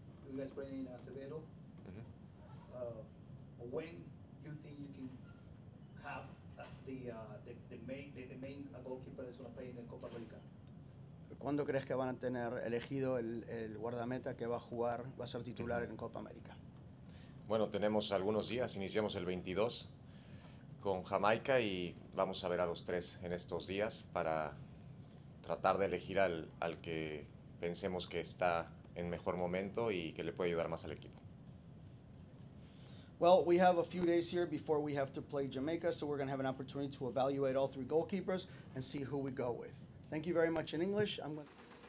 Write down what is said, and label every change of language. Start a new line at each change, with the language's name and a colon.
English: You guys bring in Acevedo. Mm-hmm. When you think you can have the main goalkeeper that's going to play in the Copa America?
Spanish: ¿Cuándo crees que van a tener elegido el guardameta que va a jugar, va a ser titular en Copa América? Bueno, tenemos algunos días. Iniciamos el 22 con Jamaica y vamos a ver a los tres en estos días para tratar de elegir al que pensemos que está en mejor momento y que le puede ayudar más al equipo.
English: Well, we have a few days here before we have to play Jamaica, so we're going to have an opportunity to evaluate all three goalkeepers and see who we go with. Thank you very much in English. I'm going to...